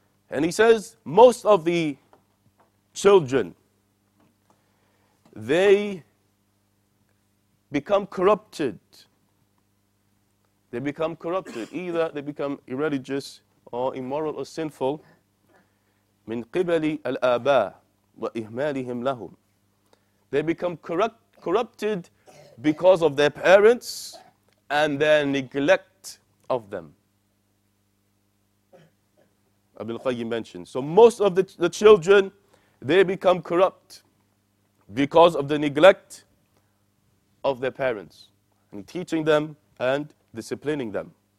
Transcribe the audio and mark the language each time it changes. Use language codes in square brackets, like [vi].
[en] And he says, most of the children, they become corrupted. They become corrupted. Either they become irreligious or immoral or sinful. [ar] من قبل الآباء وإهمالهم لهم. [en] They become corrupted because of their parents and their neglect of them. Ibn al-Qayyim mentioned. So most of the children, they become corrupt because of the neglect of their parents and teaching them and disciplining them.